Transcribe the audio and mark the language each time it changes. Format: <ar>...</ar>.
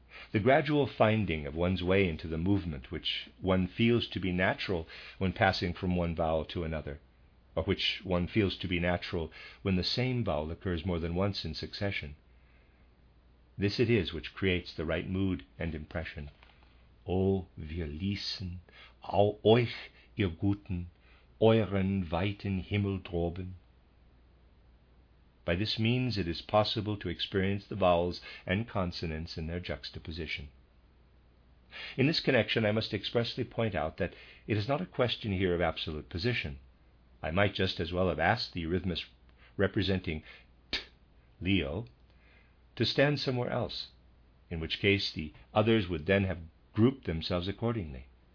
<en>The gradual finding of one's way into the movement which one feels to be natural when passing from one vowel to another, or which one feels to be natural when the same vowel occurs more than once in succession, this it is which creates the right mood and impression.</en> <de>O wir ließen euch, ihr Guten, euren weiten Himmel droben.</de> <en>By this means it is possible to experience the vowels and consonants in their juxtaposition. In this connection I must expressly point out that it is not a question here of absolute position. I might just as well have asked the eurythmist representing T, Leo, to stand somewhere else, in which case the others would then have group themselves accordingly.</en>